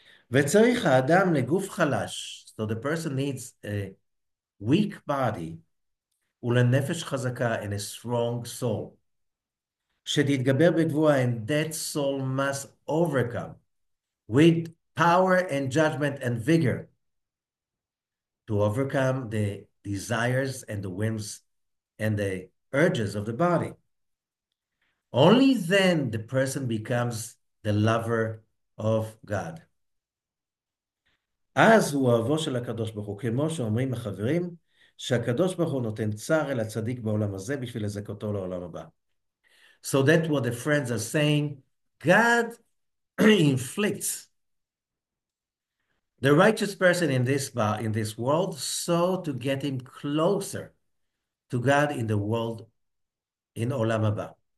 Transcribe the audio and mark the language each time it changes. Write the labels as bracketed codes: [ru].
[he] וצריך האדם לגוף חלש. [en] So the person needs a weak body [he] ולנפש חזקה [en] and a strong soul [he] שתתגבר בגבורה, [en] and that soul must overcome with power and judgment and vigor to overcome the desires and the whims and the urges of the body. Only then the person becomes the lover of God. [he] אז הוא אוהבו של הקדוש ברוך הוא, כמו שאומרים החברים, שהקדוש ברוך הוא נותן צער אל הצדיק בעולם הזה בשביל לזכותו לעולם הבא. [en] So that's what the friends are saying. God inflicts the righteous person in this world so to get him closer to God in the world in Olam Haba.